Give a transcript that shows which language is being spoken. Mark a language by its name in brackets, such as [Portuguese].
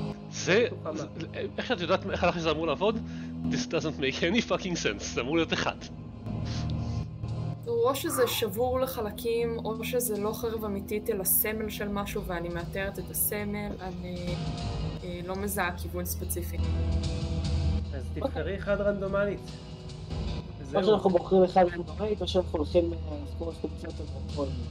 [Hebrew] זה, איך את יודעת, איך זה אמור לעבוד? [English] This doesn't make any fucking sense, [Hebrew] זה אמור להיות אחד. או שזה שבור לחלקים, או שזה לא חרב אמיתית, אלא סמל של משהו, ואני מאתרת את הסמל, אני לא מזהה כיוון ספציפי. אז תבחרי אחד רנדומלית. או שאנחנו בוחרים אחד רנדומלית, או שאנחנו הולכים לסכום הסקופציות על הכל.